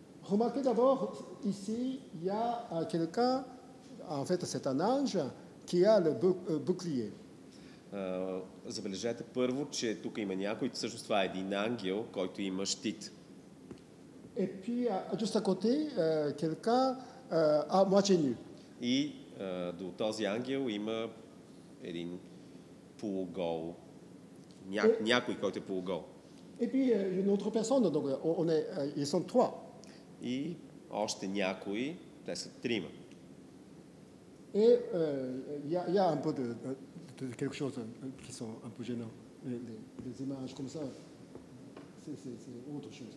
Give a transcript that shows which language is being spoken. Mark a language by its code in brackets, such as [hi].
[fr] Remarquez d'abord ici il y a quelqu'un, en fait c'est un ange qui a le bouclier. [bg] Забележете първо, че тук има някой, всъщност това е един ангел, който има щит. [fr] Et puis, juste à côté, quelqu'un a moitié nu. [bg] И до този ангел има един полугол. Някой, който е полугол. [fr] Et puis, une autre personne, donc ils sont trois. [bg] И още някой, те са трима. [fr] Et il y a un peu de quelque chose qui sont un peu gênants, les images comme ça, c'est autre chose.